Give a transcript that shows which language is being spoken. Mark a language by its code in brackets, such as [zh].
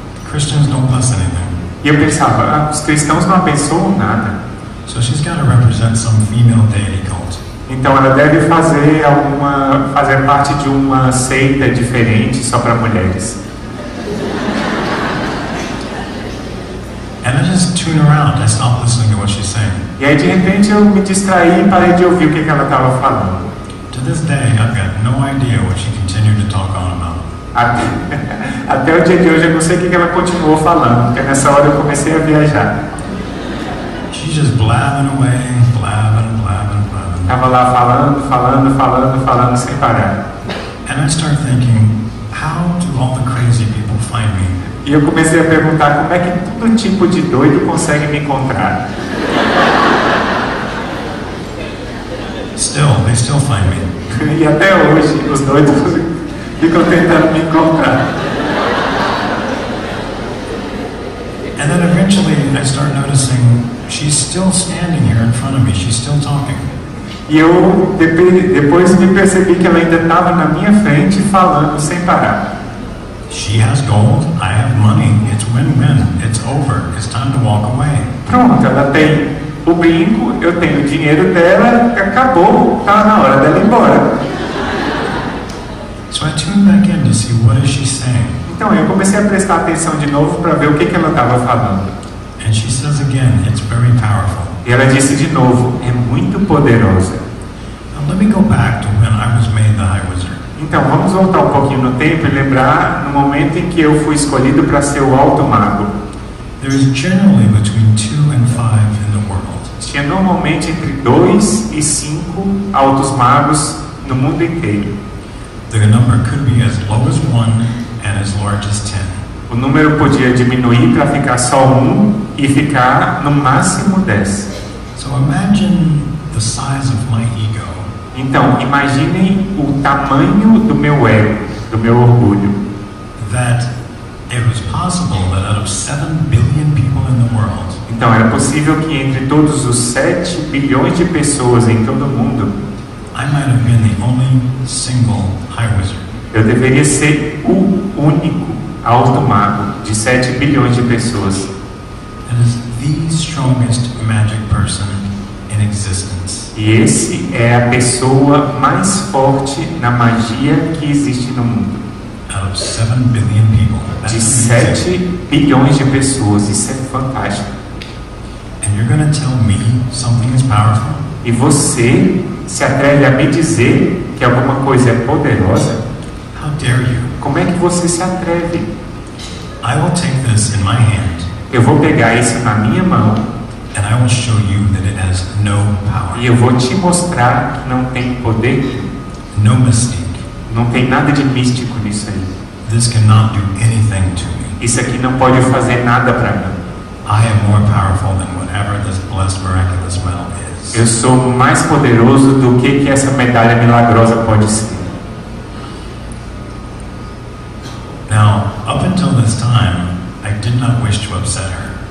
[en] Christians don't bless anything. [pt] E eu pensava, os cristãos não abençoam nada. [en] So she's got to represent some female deity cult. [pt] Então ela deve fazer parte de uma seita diferente só para mulheres. [en] And I just turn around, I stop listening to what she's saying. [pt] E aí de repente eu me distraí e parei de ouvir o que ela estava falando. [en] To this day, I've got no idea what she continued to talk on about. [pt] Até o dia de hoje eu não sei o que ela continuou falando, porque nessa hora eu comecei a viajar. [en] She's just blabbing away, blabbing, blabbing, blabbing. [pt] Tava lá falando, falando, falando, falando sem parar. [en] And I start thinking, how do all the crazy people find me? [pt] E eu comecei a perguntar como é que todo tipo de doido consegue me encontrar. [en] Still, they still find me. [pt] E até hoje os doidos ficam tentando me encontrar. [en] And then eventually I start noticing she's still standing here in front of me. She's still talking. [pt] E eu depois me percebi que ela ainda estava na minha frente falando sem parar. [en] She has gold, I have money. It's win-win. It's over. It's time to walk away. [pt] Pronto, ela tem o brinco, eu tenho o dinheiro dela, acabou, tá na hora dela ir embora. [en] So I tuned back in to see what is she saying. [pt] Então eu comecei a prestar atenção de novo para ver o que ela estava falando. [en] And she says again, it's very powerful. [pt] E ela disse de novo, é muito poderosa. [en] Now let me go back to when I was made the high wizard. [pt] Então vamos voltar um pouquinho no tempo e lembrar no momento em que eu fui escolhido para ser o alto mago. [en] There is generally between 2 and 5 in the world. [pt] Tinha normalmente entre 2 e 5 altos magos no mundo inteiro. [en] The number could be as low as 1 and as large as 10. [pt] O número podia diminuir para ficar só 1 e ficar no máximo 10. [en] So imagine the size of my ego. [pt] Então, imaginem o tamanho do meu ego, do meu orgulho. [en] That it was possible that out of 7 billion people in the world. [pt] Então, era possível que entre todos os 7 bilhões de pessoas em todo o mundo, [en] I might have been the only single high wizard. [pt] Eu deveria ser o único alto mago de 7 bilhões de pessoas. [en] And is the strongest magic person in existence. [pt] E esse é a pessoa mais forte na magia que existe no mundo. [en] Out of 7 billion people. [pt] De 7 bilhões de pessoas, isso é fantástico. [en] And you're gonna tell me something is powerful? [pt] E você se atreve a me dizer que alguma coisa é poderosa? [en] How dare you? [pt] Como é que você se atreve? [en] I will take this in my hand. [pt] Eu vou pegar isso na minha mão. [en] And I will show you that it has no power. [pt] E eu vou te mostrar que não tem poder. [en] No mystique. [pt] Não tem nada de místico nisso aí. [en] This cannot do anything to me. [pt] Isso aqui não pode fazer nada para mim. [en] I am more powerful than whatever this blessed miraculous medal is. [pt] Eu sou mais poderoso do que essa medalha milagrosa pode ser. [en] Now, up until this time, I did not wish to upset her.